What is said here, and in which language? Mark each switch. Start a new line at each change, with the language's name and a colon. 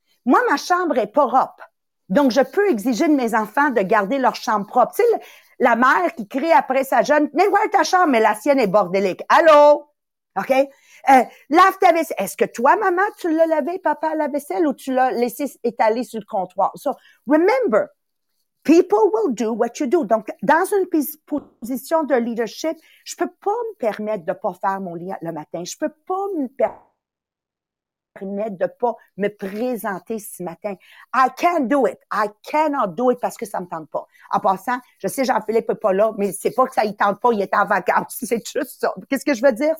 French: Moi, ma chambre est propre. Donc, je peux exiger de mes enfants de garder leur chambre propre. Tu sais, la mère qui crie après sa jeune, « Mais où est ta chambre? » Mais la sienne est bordélique. « Allô? » OK? Lave ta vaisselle. Est-ce que toi, maman, tu l'as lavé, papa, à la vaisselle ou tu l'as laissé étaler sur le comptoir?
English: So, remember, people will do what you do.
French: Donc, dans une position de leadership, je peux pas me permettre de pas faire mon lit le matin. Je peux pas me permettre de pas me présenter ce matin.
English: I can't do it. I cannot do it
French: parce que ça me tente pas. En passant, je sais Jean-Philippe est pas là, mais c'est pas que ça y tente pas, il est en vacances. C'est juste ça. Qu'est-ce que je veux dire?